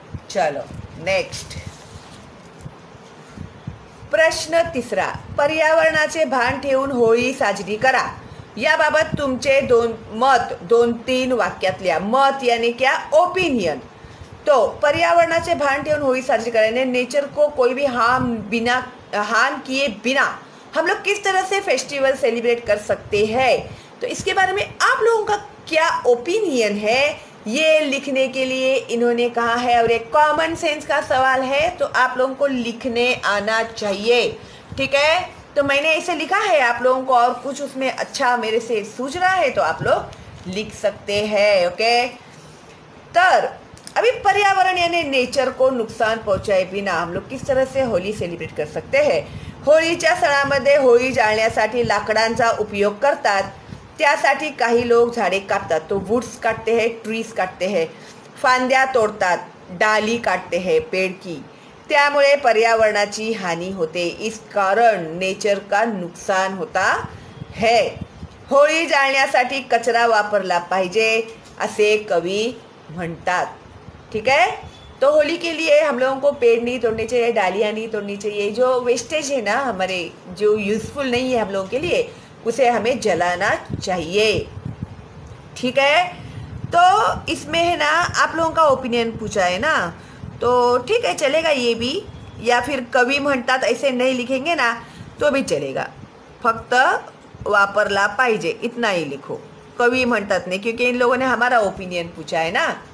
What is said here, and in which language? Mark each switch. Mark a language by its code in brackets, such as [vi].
[mr] चलो नेक्स्ट प्रश्न तिसरा, पर्यावरणाचे भान ठेवून होळी साजरी करा, या बाबत तुमचे दोन मत, दोन तीन वाक्यातल्या मत [hi] यानी क्या ओपिनियन। [mr] तो पर्यावरणाचे भान ठेवून होळी साजरी करायने [hi] नेचर को कोई भी हार्म बिना हार्म किए बिना हम लोग किस तरह से फेस्टिवल सेलिब्रेट कर सकते हैं, तो इसके बारे में आप लोगों का क्या ओपिनियन है ये लिखने के लिए इन्होंने कहा है, और एक कॉमन सेंस का सवाल है तो आप लोगों को लिखने आना चाहिए। ठीक है, तो मैंने इसे लिखा है आप लोगों को, और कुछ उसमें अच्छा मेरे से सूझ रहा है तो आप लोग लिख सकते हैं। ओके, तर अभी पर्यावरण यानी नेचर को नुकसान पहुंचाए बिना हम लोग किस तरह से होली सेलिब्रेट कर सकते हैं। [mr] होळीच्या सणामध्ये होळी जाळण्यासाठी लाकडांचा उपयोग करतात, त्यासाठी काही लोक झाडे कापतात, [hi] तो वुड्स काटते हैं, [mr] ट्रीज काटते हैं, फांद्या तोडतात, [hi] डाली काटते हैं पेड़ की, [mr] त्यामुळे पर्यावरणाची हानी होते, [hi] इस कारण नेचर का नुकसान होता है। [mr] होळी जाळण्यासाठी कचरा वापरला पाहिजे असे कवी म्हणतात। [hi] ठीक है, तो होली के लिए हम लोगों को पेड़ नहीं तोड़ने चाहिए, डालियां नहीं तोड़नी चाहिए, जो वेस्टेज है ना हमारे, जो यूजफुल नहीं है हम लोगों के लिए, उसे हमें जलाना चाहिए। ठीक है, तो इसमें है ना आप लोगों का ओपिनियन पूछा है ना, तो ठीक है चलेगा ये भी, या फिर [mr] कवि म्हणतात [hi] ऐसे नहीं लिखेंगे ना तो भी चलेगा, [mr] फक्त वापरला पाहिजे [hi] इतना ही लिखो, कवि म्हणतात नहीं, क्योंकि इन लोगों ने हमारा ओपिनियन पूछा है ना।